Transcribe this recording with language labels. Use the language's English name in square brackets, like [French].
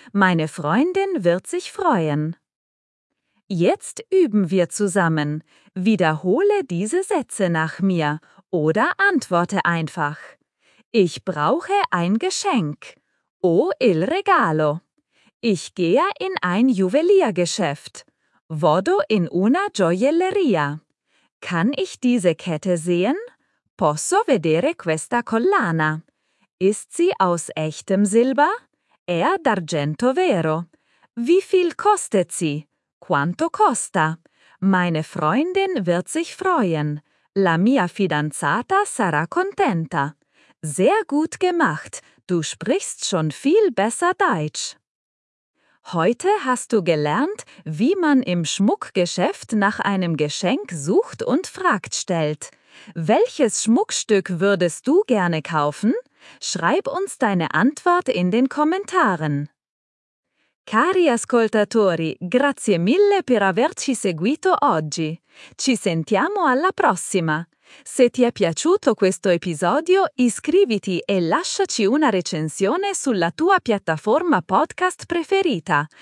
[German] Meine Freundin wird sich freuen. Jetzt üben wir zusammen. Wiederhole diese Sätze nach mir oder antworte einfach. Ich brauche ein Geschenk. [Italian] O il regalo. [German] Ich gehe in ein Juweliergeschäft. [Italian] Vado in una gioielleria. [German] Kann ich diese Kette sehen? [Italian] Posso vedere questa collana? [German] Ist sie aus echtem Silber? [Italian] È d'argento vero. [German] Wie viel kostet sie? [Italian] Quanto costa? [German] Meine Freundin wird sich freuen. [Italian] La mia fidanzata sarà contenta. [German] Sehr gut gemacht. Du sprichst schon viel besser Deutsch. Heute hast du gelernt, wie man im Schmuckgeschäft nach einem Geschenk sucht und fragt stellt. Welches Schmuckstück würdest du gerne kaufen? Schreib uns deine Antwort in den Kommentaren. [Italian] Cari ascoltatori, grazie mille per averci seguito oggi. Ci sentiamo alla prossima. Se ti è piaciuto questo episodio, iscriviti e lasciaci una recensione sulla tua piattaforma podcast preferita.